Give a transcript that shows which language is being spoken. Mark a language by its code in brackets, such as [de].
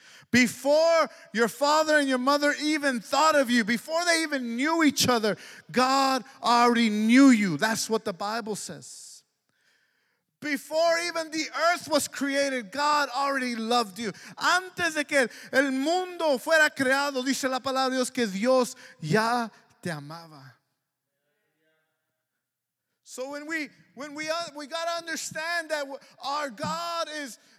[en] Before your father and your mother even thought of you, before they even knew each other, God already knew you. That's what the Bible says. Before even the earth was created, God already loved you. [es] Antes de que el mundo fuera creado, dice la palabra de Dios, que Dios ya te amaba. [en] So when we got to understand that our God is